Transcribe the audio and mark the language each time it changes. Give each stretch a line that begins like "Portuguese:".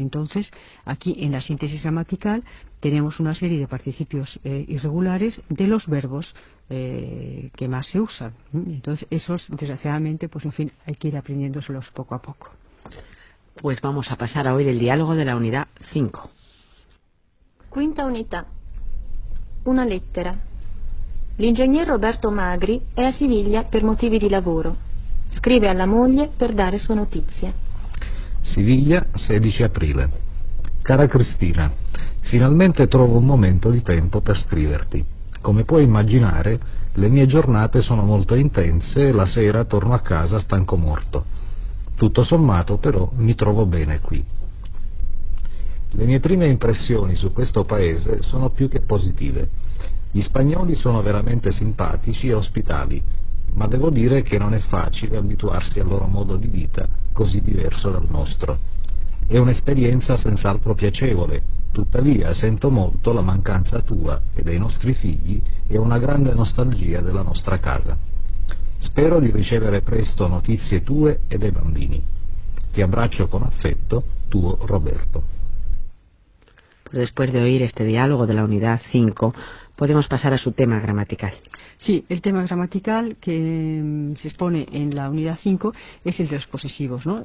Spanish: Entonces, aquí en la síntesis gramatical tenemos una serie de participios irregulares de los verbos que más se usan. Entonces, esos, desgraciadamente, pues en fin, hay que ir aprendiéndoselos poco a poco. Pues vamos a pasar a oír el diálogo de la unidad 5.
Italian: Quinta unidad. Una lettera. L'ingegner Roberto Magri è a Siviglia per motivi di lavoro. Scrive alla moglie per dare sue notizie. Siviglia, 16 aprile. Cara Cristina, finalmente trovo un momento di tempo per scriverti. Come puoi immaginare, le mie giornate sono molto intense e la sera torno a casa stanco morto. Tutto sommato, però, mi trovo bene qui. Le mie prime impressioni su questo paese sono più che positive. Gli spagnoli sono veramente simpatici e ospitali, ma devo dire che non è facile abituarsi al loro modo di vita, così diverso dal nostro. È un'esperienza senz'altro piacevole, tuttavia sento molto la mancanza tua e dei nostri figli e una grande nostalgia della nostra casa. Spero di ricevere presto notizie tue e dei bambini. Ti abbraccio con affetto, tuo Roberto.
Spanish: Después de oír este diálogo de la unidad 5, podemos pasar a su tema gramatical. Sí, el tema gramatical que se expone en la unidad 5 es el de los posesivos, ¿no?